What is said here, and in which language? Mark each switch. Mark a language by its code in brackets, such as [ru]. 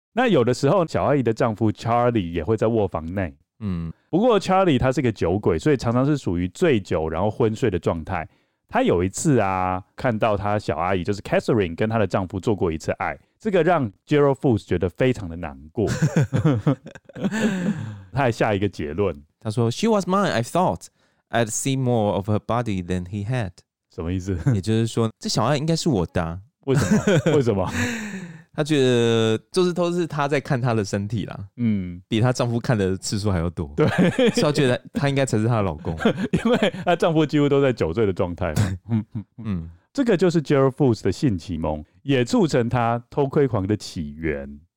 [zh] 那有的时候小阿姨的丈夫 Charlie 也会在卧房内，不过 Charlie 他是个酒鬼，所以常常是属于醉酒然后昏睡的状态。他有一次啊，看到他小阿姨就是 Catherine 跟他的丈夫做过一次爱，这个让 Gerald Foos 觉得非常的难过。他还下一个结论，他说 [en] She was mine, I thought I'd see more of her body than he had。 [zh] 什么意思？也就是说这小阿姨应该是我的，啊，为什么？为什么？他觉得就是都是他在看他的身体啦，比他丈夫看的次数还要多，对，所以他觉得他应该才是他的老公。因为他丈夫几乎都在酒醉的状态。这个就是 Gerald Foos 的性启蒙，也促成他偷窥狂的起源。